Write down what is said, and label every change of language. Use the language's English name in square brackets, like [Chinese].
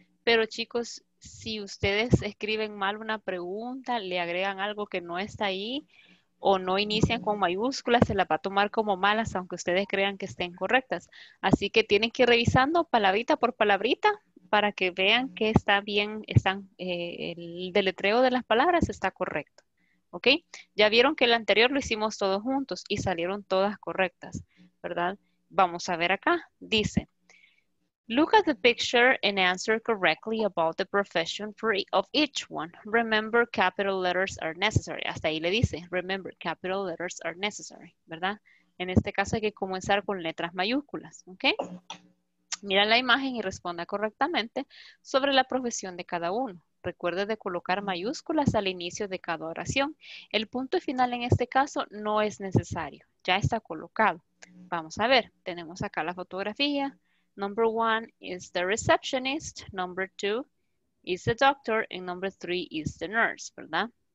[Spanish] Pero chicos, si ustedes escriben mal una pregunta, le agregan algo que no está ahí, o no inician con mayúsculas, se la va a tomar como malas, aunque ustedes crean que estén correctas. Así que tienen que ir revisando palabrita por palabrita para que vean que está bien, el deletreo de las palabras está correcto. ¿Ok? Ya vieron que el anterior lo hicimos todos juntos y salieron todas correctas, ¿verdad? Vamos a ver acá. [English] Dice, look at the picture and answer correctly about the profession of each one. Remember, capital letters are necessary. [Spanish] Hasta ahí le dice, [English] remember, capital letters are necessary, ¿verdad? [Spanish] En este caso hay que comenzar con letras mayúsculas, ¿ok? Mira la imagen y responda correctamente sobre la profesión de cada uno. Recuerde de colocar mayúsculas al inicio de cada oración. El punto final en este caso no es necesario, ya está colocado. Vamos a ver, tenemos acá la fotografía. [English] Number one is the receptionist, number two is the doctor, and number three is the nurse, [Spanish] ¿verdad?